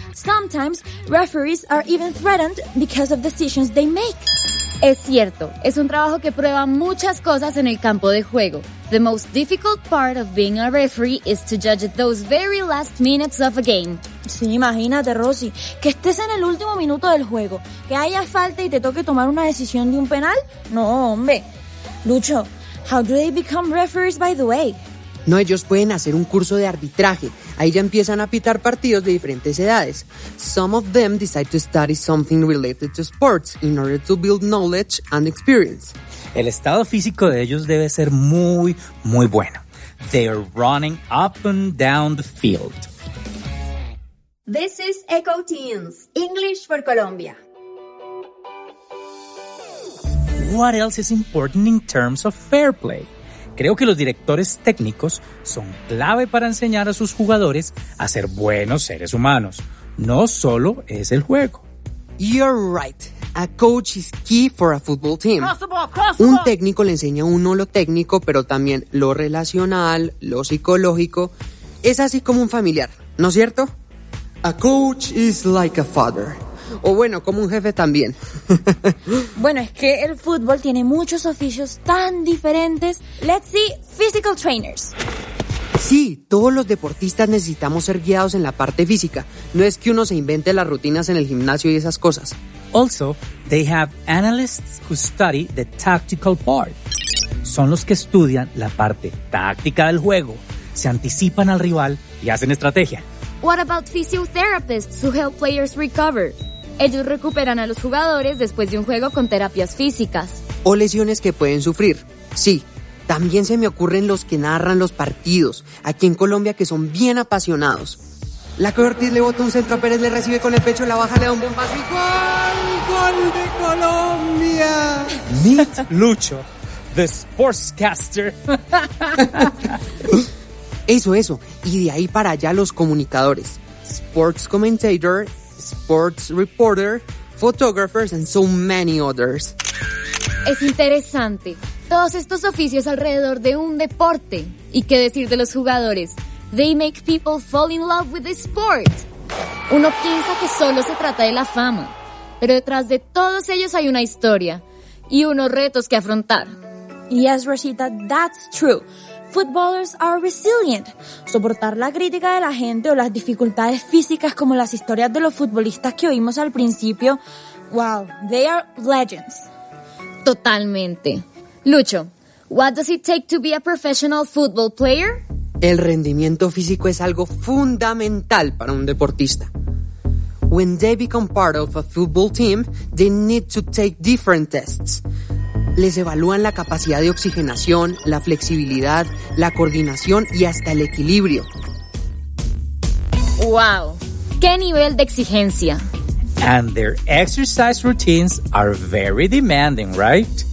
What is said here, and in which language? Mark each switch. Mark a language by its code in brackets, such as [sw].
[en] Sometimes, referees are even threatened because of decisions they make. [es] Es cierto, es un trabajo que prueba muchas cosas en el campo de juego. [en] The most difficult part of being a referee is to judge those very last minutes of a game. [es] Sí, imagínate, Rosy, que estés en el último minuto del juego, que haya falta y te toque tomar una decisión de un penal. No, hombre. [en] Lucho, how do they become referees, by the way? [es] No, ellos pueden hacer un curso de arbitraje. Ahí ya empiezan a pitar partidos de diferentes edades. [en] Some of them decide to study something related to sports in order to build knowledge and experience. [es] El estado físico de ellos debe ser muy, muy bueno. [en] They are running up and down the field. This is Echo Teens, English for Colombia. What else is important in terms of fair play? [es] Creo que los directores técnicos son clave para enseñar a sus jugadores a ser buenos seres humanos. No solo es el juego. [en] You're right. A coach is key for a football team. Cross the ball, cross the ball. [es] Un técnico le enseña a uno lo técnico, pero también lo relacional, lo psicológico. Es así como un familiar, ¿no es cierto? [en] A coach is like a father. [es] O bueno, como un jefe también. Bueno, es que el fútbol tiene muchos oficios tan diferentes. [en] Let's see, physical trainers. [es] Sí, todos los deportistas necesitamos ser guiados en la parte física. No es que uno se invente las rutinas en el gimnasio y esas cosas. [en] Also, they have analysts who study the tactical part. [es] Son los que estudian la parte táctica del juego, se anticipan al rival y hacen estrategia. [en] What about physiotherapists who help players recover? [es] Ellos recuperan a los jugadores después de un juego con terapias físicas. O lesiones que pueden sufrir. Sí, también se me ocurren los que narran los partidos, aquí en Colombia que son bien apasionados. La que Ortiz le bota un centro a Pérez, le recibe con el pecho, la baja, le da un buen paso y ¡gol! ¡Gol de Colombia! [en] Meet Lucho, the sportscaster. [es] Eso. Y de ahí para allá los comunicadores. [en] Sports commentator, sports reporter, photographers and so many others. [es] Es interesante. Todos estos oficios alrededor de un deporte. ¿Y qué decir de los jugadores? [en] They make people fall in love with the sport. [es] Uno piensa que solo se trata de la fama. Pero detrás de todos ellos hay una historia y unos retos que afrontar. [en] Yes, Rosita, that's true. Footballers are resilient. [es] Soportar la crítica de la gente o las dificultades físicas como las historias de los futbolistas que oímos al principio, [en] wow, they are legends. [es] Totalmente. [en] Lucho, what does it take to be a professional football player? [es] El rendimiento físico es algo fundamental para un deportista. [en] When they become part of a football team, they need to take different tests. [es] Les evalúan la capacidad de oxigenación, la flexibilidad, la coordinación y hasta el equilibrio. ¡Wow! ¡Qué nivel de exigencia! [en] And their exercise routines are very demanding, right?